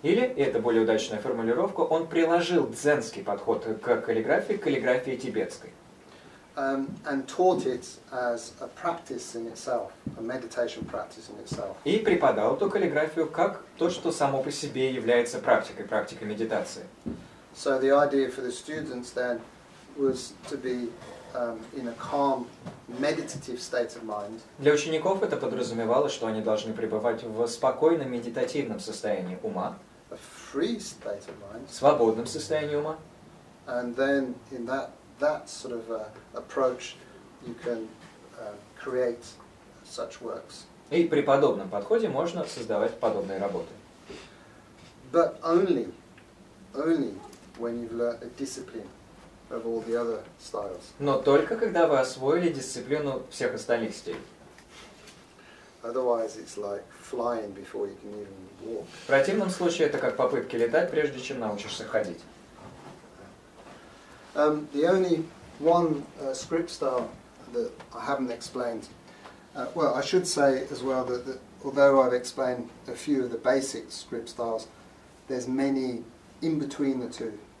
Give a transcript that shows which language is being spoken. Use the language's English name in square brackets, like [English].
[Russian] Или, и это более удачная формулировка, он приложил дзенский подход к каллиграфии тибетской. [English] And taught it as a practice in itself, a meditation practice in itself. [Russian] И преподал эту каллиграфию как то, что само по себе является практикой медитации. [English] So the idea for the students then was to be in a calm, meditative state of mind. [Russian] Для учеников это подразумевало, что они должны пребывать в спокойном медитативном состоянии ума. [English] A free state of mind. [Russian] В свободном состоянии ума. [English] And then in that sort of approach, you can create such works. [Russian] И при подобном подходе можно создавать подобные работы. [English] But only when you've learned the discipline of all the other styles. [Russian] Но только когда вы освоили дисциплину всех остальных стилей. [English] Otherwise, it's like flying before you can even walk. [Russian] В противном случае это как попытки летать, прежде чем научишься ходить. [English] The only one script style that I haven't explained. Well, I should say as well that although I've explained a few of the basic script styles, there's many in between the two.